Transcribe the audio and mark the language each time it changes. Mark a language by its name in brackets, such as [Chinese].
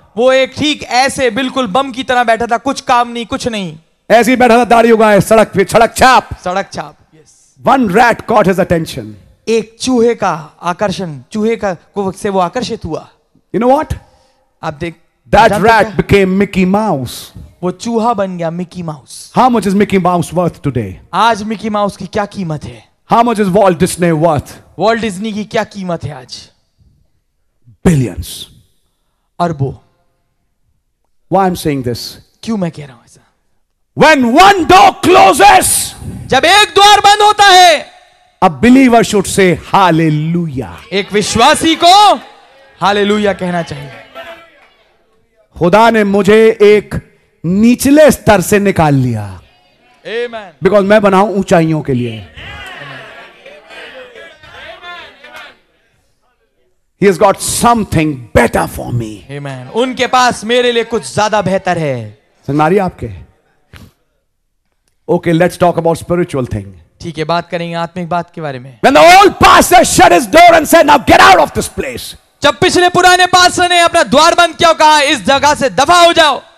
[Hindi] वो एक ठीक ऐसे बिल्कुल बम की तरह बैठा था. कुछ काम नहीं, कुछ नहीं. ऐसी बैठा था दाढ़ी उगाए सड़क पे, सड़क छाप. [English] Yes. One rat caught his attention. [Hindi] एक चूहे का आकर्षण, चूहे का कुवक से वो आकर्षित हुआ. [English] You know what? [Hindi] आप देख. [English] That rat became Mickey Mouse. [Hindi] वो चूहा बन गया Mickey Mouse. [English] How much is Mickey Mouse worth today? [Hindi] आज Mickey Mouse की क्या कीमत है? [English] How much is Walt Disney worth? [Hindi] Walt Disney की क्या कीमत है आज? [English] Billions. [Hindi] अरबों. [English] Why I'm saying this? [Hindi] क्यों मैं कह रहा हूं ऐसा? [English] When one door closes. [Hindi] जब एक द्वार बंद होता है. [English] A believer should say Hallelujah. [Hindi] एक विश्वासी को Hallelujah कहना चाहिए. खुदा ने मुझे एक निचले स्तर से निकाल लिया. [English] Amen. Because [Hindi] मैं बनाऊं ऊंचाइयों के लिए. [English] He has got something better for me. Amen. [Hindi] उनके पास मेरे लिए कुछ ज्यादा बेहतर है. संगारी आपके. [English] Okay, let's talk about spiritual thing. [Hindi] ठीक है बात करेंगे आत्मिक बात के बारे में. [English] When the old pastor shut his door and said, "Now get out of this place." [Hindi] जब पिछले पुराने पास्टर ने अपना द्वार बंद क्यों कहा, इस जगह से दफा हो जाओ.